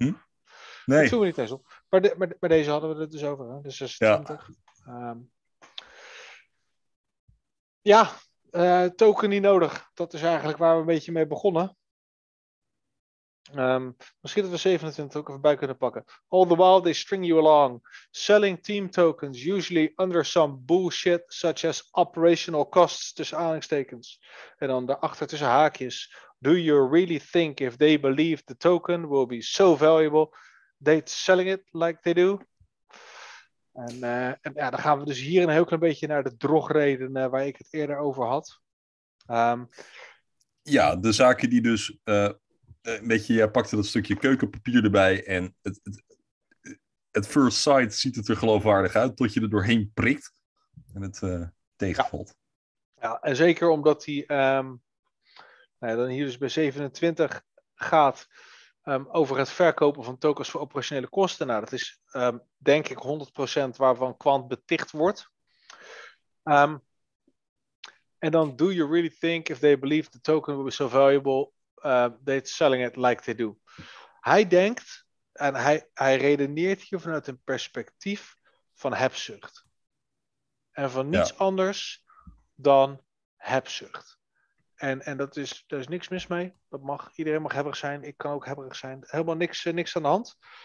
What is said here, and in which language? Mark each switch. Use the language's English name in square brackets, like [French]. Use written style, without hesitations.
[Dutch] Nee. Het viel me niet eens op. Maar, maar deze hadden we het dus over. Hè? Dus 26. Ja. Ja, token niet nodig. Dat is eigenlijk waar we een beetje mee begonnen. Misschien dat we 27 ook even bij kunnen pakken. [English] All the while they string you along, selling team tokens, usually under some bullshit such as operational costs, [Dutch] tussen aanhalingstekens. En dan daarachter tussen haakjes. [English] Do you really think if they believe the token will be so valuable, they'd selling it like they do? [Dutch] En ja, dan gaan we dus hier een heel klein beetje naar de drogredenen waar ik het eerder over had. Ja, de zaken die dus... een beetje, jij pakte dat stukje keukenpapier erbij en het [English] first sight [Dutch] ziet het er geloofwaardig uit tot je er doorheen prikt en het tegenvalt. Ja. Ja, en zeker omdat hij dan hier dus bij 27 gaat over het verkopen van tokens voor operationele kosten. Nou, dat is denk ik 100% waarvan Quant beticht wordt. En dan, [English] do you really think if they believe the token will be so valuable, they're selling it like they do. [Dutch] Hij denkt en hij redeneert hier vanuit een perspectief van hebzucht. En van niets ja. anders dan hebzucht. En dat is, daar is niks mis mee. Dat mag, iedereen mag hebberig zijn. Ik kan ook hebberig zijn. Helemaal niks aan de hand.